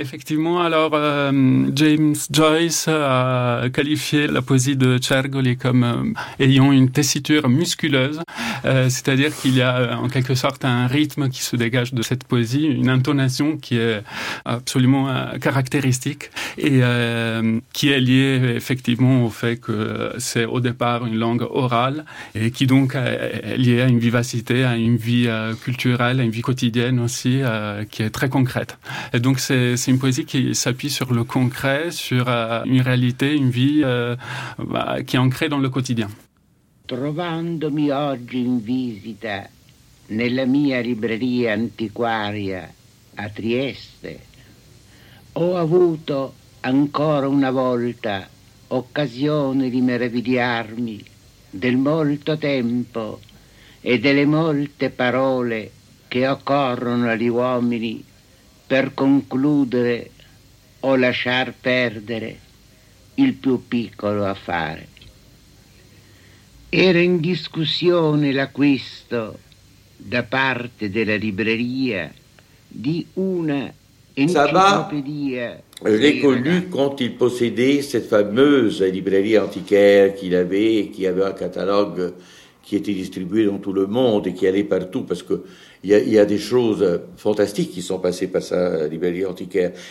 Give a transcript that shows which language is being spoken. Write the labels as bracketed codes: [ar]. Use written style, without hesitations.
[fr] Effectivement, alors James Joyce a qualifié la poésie de Cergoli comme ayant une tessiture musculeuse, c'est-à-dire qu'il y a en quelque sorte un rythme qui se dégage de cette poésie, une intonation qui est absolument caractéristique et qui est liée effectivement au fait que c'est au départ une langue orale et qui donc est liée à une vivacité, à une vie culturelle, à une vie quotidienne aussi, qui est très concrète. Et donc c'est une poésie qui s'appuie sur le concret, sur une réalité, une vie qui est ancrée dans le quotidien. [it] Trovandomi oggi in visita nella mia libreria antiquaria a Trieste, ho avuto ancora una volta occasione di meravigliarmi del molto tempo e delle molte parole che occorrono agli uomini per concludere o lasciar perdere il più piccolo affare. Era in discussione l'acquisto da parte della libreria di una enciclopédie. [fr] L'ai connu quand il possédait cette fameuse librairie antiquaire qu'il avait, qui avait un catalogue qui était distribué dans tout le monde et qui allait partout, parce que il y a des choses fantastiques qui sont passées par sa librairie antiquaire.